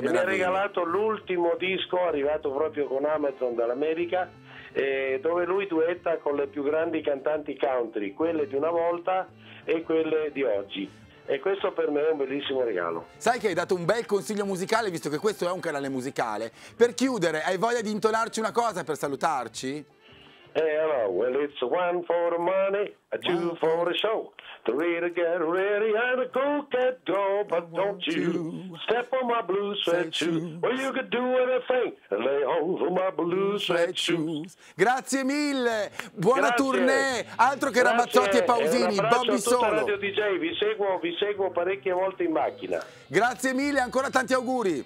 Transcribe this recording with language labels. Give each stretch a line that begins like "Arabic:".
Italian: e mi ha regalato l'ultimo disco arrivato proprio con Amazon dall'America, dove lui duetta con le più grandi cantanti country, quelle di una volta e quelle di oggi. E questo per me è un bellissimo regalo. Sai che hai dato un bel consiglio musicale, visto che questo è un canale musicale. Per chiudere, hai voglia di intonarci una cosa per salutarci?
English: Hello, well it's one for money, a two for a show, three to get ready and a cool get go, but don't you step on my blue sweatshoes, well you could do anything, lay hold of my blue sweatshoes.
Italian: Grazie mille, buona grazie. Tournée, altro che Ramazzotti e Pausini, Bobby Solo. Grazie, Radio DJ, vi seguo parecchie volte in macchina. Grazie mille, ancora tanti auguri.